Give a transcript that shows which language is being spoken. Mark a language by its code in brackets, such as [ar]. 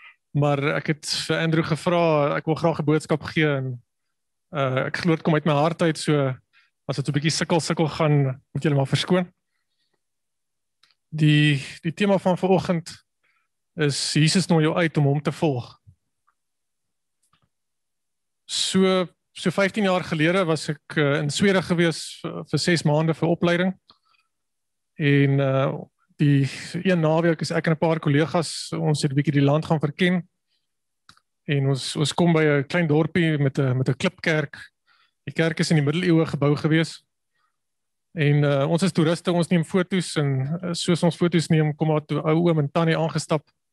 [nl] Maar ik heb vir Andrew gevraagd, ik wil graag een boodschap geven. Ik geloof het kom uit mijn hart uit, so als het een beetje sikkel gaan, moet jullie maar verskoon. [af] Die thema van vanochtend is Jesus nooi jou uit om hom te volg. So 15 jaar gelede was ek in Zweden gewees vir 6 maanden vir opleiding. En die een naweek is ek en een paar collega's, ons het bykie die land gaan verken. En ons kom by een klein dorpie met een klipkerk. Die kerk is in die middeleeuwe gebouw gewees. En ons is toeriste, ons neem foto's en soos ons foto's neem, kom daar toe ou oom en tannie aangestap.